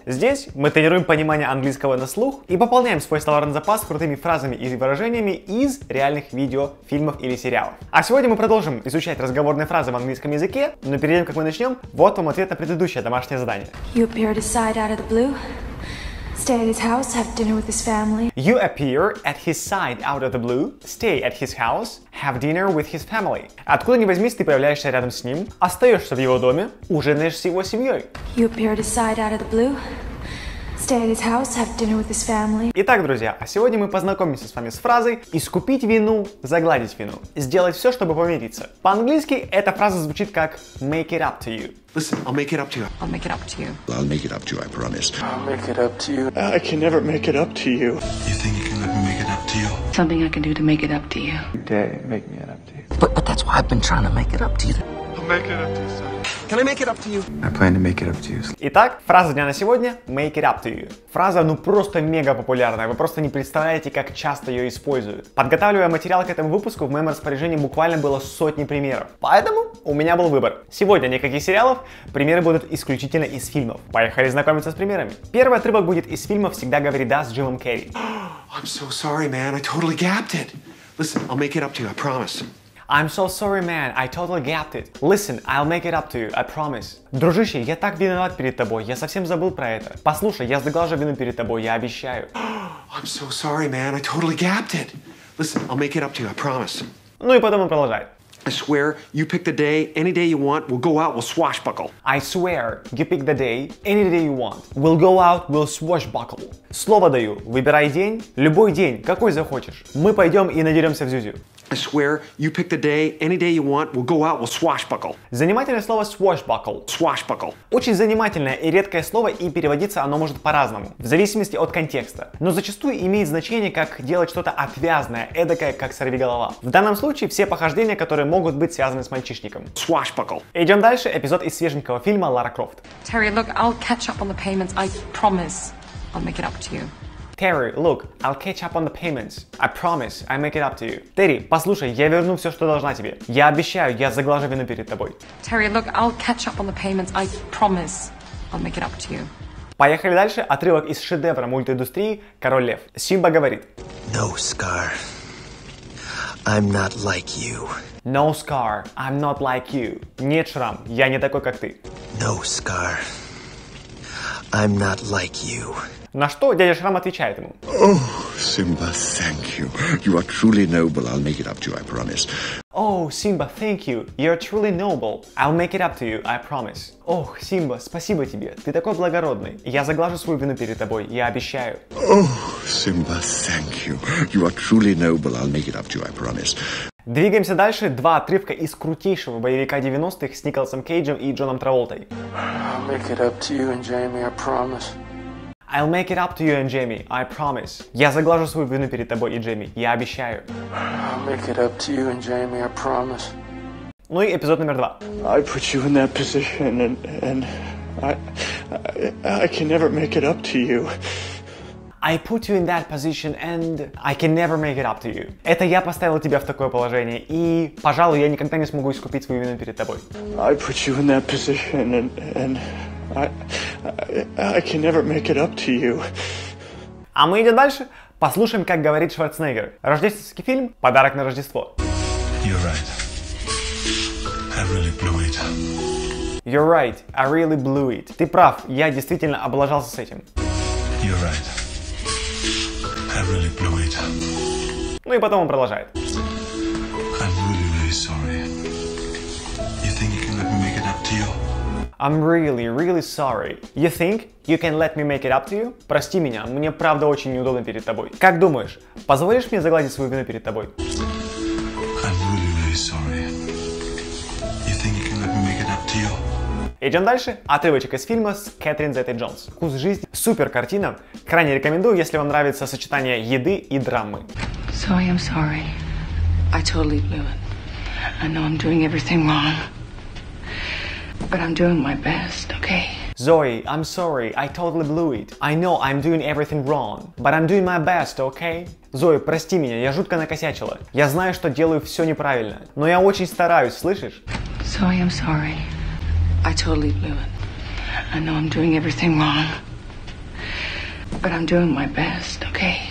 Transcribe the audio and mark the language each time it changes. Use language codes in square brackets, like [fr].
[ru] Здесь мы тренируем понимание английского на слух и пополняем свой словарный запас крутыми фразами и выражениями из реальных видео, фильмов или сериалов. А сегодня мы продолжим изучать разговорные фразы в английском языке, но перед тем, как мы начнем, вот вам ответ на предыдущее домашнее задание. [en] You appear to side out of the blue. Stay at his house, have dinner with his family. You appear at his side out of the blue. Stay at his house, have dinner with his family. [ru] Откуда ни возьмись, ты появляешься рядом с ним, остаешься в его доме, ужинаешь с его семьей. [en] You appear at his side out of the blue. Stay at his house, have dinner with his family. [ru] Итак, друзья, а сегодня мы познакомимся с вами с фразой «искупить вину, загладить вину». Сделать все, чтобы помириться. По-английски эта фраза звучит как [en] «make it up to you». Listen, I'll make it up to you. I'll make it up to you. I'll make it up to you, I promise. I'll make it up to you. I can never make it up to you. You think you can let me make it up to you? Something I can do to make it up to you. Day, make me it up to you. But that's why I've been trying to make it up to you. I'll make it up to you, sir. Can I make it up to you? I plan to make it up to you. [ru] Итак, фраза дня на сегодня – [en] make it up to you. [ru] Фраза, ну просто мега популярная, вы просто не представляете, как часто ее используют. Подготавливая материал к этому выпуску, в моем распоряжении буквально было сотни примеров. Поэтому у меня был выбор. Сегодня никаких сериалов, примеры будут исключительно из фильмов. Поехали знакомиться с примерами. Первый отрывок будет из фильма «Всегда говори да» с Джимом Керри. [en] I'm so sorry, man, I totally gapped it. Listen, I'll make it up to you, I promise. I'm so sorry, man, I totally gapped it. Listen, I'll make it up to you, I promise. [ru] Дружище, я так виноват перед тобой, я совсем забыл про это. Послушай, я заглажу вину перед тобой, я обещаю. [en] I'm so sorry, man, I totally gapped it. Listen, I'll make it up to you, I promise. [ru] Ну и потом он продолжает. [en] I swear, you pick the day, any day you want, we'll go out, we'll swashbuckle. I swear, you pick the day, any day you want, we'll go out, we'll swashbuckle. [ru] Слово даю, выбирай день, любой день, какой захочешь. Мы пойдем и надеремся в зюзю. [en] I swear, you pick the day, any day you want, we'll go out, we'll swashbuckle. [ru] Занимательное слово swashbuckle. [en] Swashbuckle. [ru] Очень занимательное и редкое слово, и переводиться оно может по-разному, в зависимости от контекста. Но зачастую имеет значение, как делать что-то отвязное, эдакое, как сорвиголова. В данном случае все похождения, которые могут быть связаны с мальчишником. [en] Swashbuckle. [ru] Идем дальше, эпизод из свеженького фильма «Лара Крофт». [en] Terry, look, I'll catch up on the payments, I promise, I'll make it up to you. Terry, look, I'll catch up on the payments. I promise, I make it up to you. [ru] Терри, послушай, я верну все, что должна тебе. Я обещаю, я заглажу вину перед тобой. [en] Terry, look, I'll catch up on the payments. I promise, I'll make it up to you. [ru] Поехали дальше. Отрывок из шедевра мультиндустрии «Король Лев». Симба говорит. [en] No, Scar. I'm not like you. No, Scar. I'm not like you. [ru] Нет, Шрам, я не такой, как ты. [en] No, Scar. I'm not like you. [ru] На что дядя Шрам отвечает ему. [en] Oh, Simba, thank you. You are truly noble. I'll make it up to you, I promise. Oh, Simba, thank you. You're truly noble. I'll make it up to you, I promise. [ru] Ох, Симба, спасибо тебе. Ты такой благородный. Я заглажу свою вину перед тобой. Я обещаю. [en] Oh, Simba, thank you. You are truly noble. I'll make it up to you, I promise. [ru] Двигаемся дальше. Два отрывка из крутейшего боевика 90-х с Николасом Кейджем и Джоном Траволтой. [en] I'll make it up to you and Jamie, I promise. I'll make it up to you and Jamie, I promise. [ru] Я заглажу свою вину перед тобой и Джейми, я обещаю. [en] I'll make it up to you and Jamie, I promise. [ru] Ну и эпизод номер два. [en] I put you in that position and I can never make it up to you. I put you in that position and I can never make it up to you. [ru] Это я поставил тебя в такое положение и, пожалуй, я никогда не смогу искупить свою вину перед тобой. [en] I put you in that position and I can never make it up to you. [ru] А мы идем дальше. Послушаем, как говорит Шварценеггер. Рождественский фильм «Подарок на Рождество». [en] You're right. I really blew it. You're right. I really blew it. [ru] Ты прав. Я действительно облажался с этим. [en] You're right. I really blew it. [ru] Ну и потом он продолжает. [en] I'm really, really sorry. You think you can let me make it up to you? I'm really, really sorry. You think you can let me make it up to you? [ru] Прости меня, мне правда очень неудобно перед тобой. Как думаешь, позволишь мне загладить свою вину перед тобой? [en] I'm really, really sorry. You think you can let me make it up to you? [ru] Идем дальше. Отрывочек из фильма с Кэтрин Зета-Джонс. «Вкус жизни». Супер картина. Крайне рекомендую, если вам нравится сочетание еды и драмы. [en] So I am sorry. I totally blew it. I know I'm doing everything wrong. But I'm doing my best, okay? Zoe, I'm sorry, I totally blew it. I know I'm doing everything wrong, but I'm doing my best, okay? [ru] Зои, прости меня, я жутко накосячила. Я знаю, что делаю все неправильно, но я очень стараюсь, слышишь? [en] Zoe, I'm sorry. I totally blew it. I know I'm doing everything wrong, but I'm doing my best, okay?